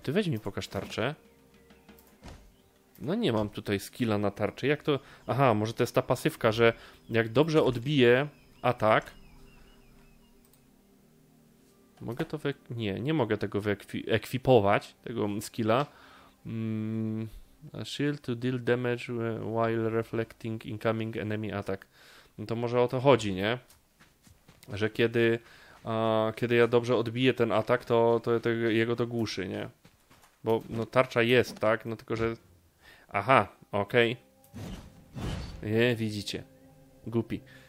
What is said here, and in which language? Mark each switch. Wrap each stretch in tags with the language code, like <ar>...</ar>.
<pl>Ty weź mi pokaż tarczę. No nie mam tutaj skilla na tarczy. Jak to? Aha, może to jest ta pasywka, że jak dobrze odbiję atak. Mogę to nie mogę tego ekwipować, tego skilla.</pl> <en>A shield to deal damage while reflecting incoming enemy attack.</en> <pl>No to może o to chodzi, nie? Że kiedy ja dobrze odbiję ten atak, to jego to głuszy, nie? Bo no tarcza jest, tak? No tylko, że... Aha, okej. Okay. Widzicie. Głupi.</pl>